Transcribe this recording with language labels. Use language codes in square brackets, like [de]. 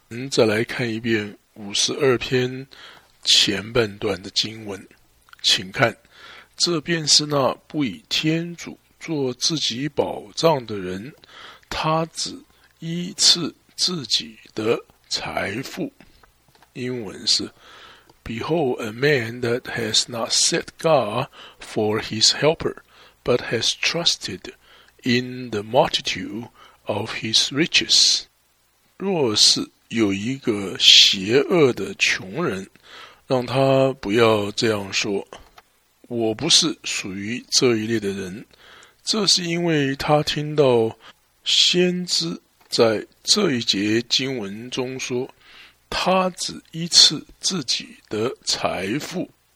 [zh] 再来看一遍52篇前半段的经文，请看，这便是那不以天主做自己宝藏的人，他只依次自己的财富。英文是 [en] Behold, a man that has not set God for his helper, but has trusted in the multitude of his riches. [zh] 若是有一个邪恶的穷人，让他不要这样说，我不是属于这一类的人，这是因为他听到先知在这一节经文中说，他只依次自己的财富。